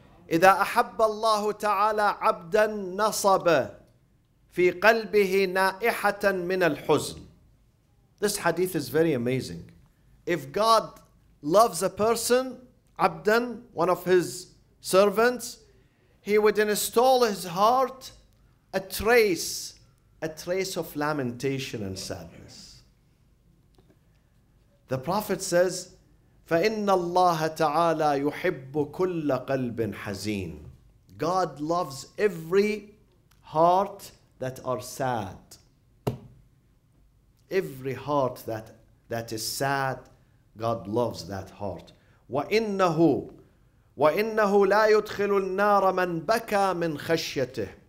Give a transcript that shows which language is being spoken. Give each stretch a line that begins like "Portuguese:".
Arabic: إذا أحب الله تعالى عبدا نصب في قلبه نائحة من الحزن.
English: This hadith is very amazing. If God loves a person, عبدا, one of his servants, he would install his heart a trace of lamentation and sadness. The Prophet says,
Arabic: فَإِنَّ اللَّهَ تَعَالَى يُحِبُّ كُلَّ قَلْبٍ حَزِينٍ.
English: God loves every heart that are sad. Every heart that is sad, God loves that heart.
Arabic: وَإِنَّهُ لَا يُدْخِلُ النَّارَ مَنْ بَكَى مِنْ خَشْيَتِهِ.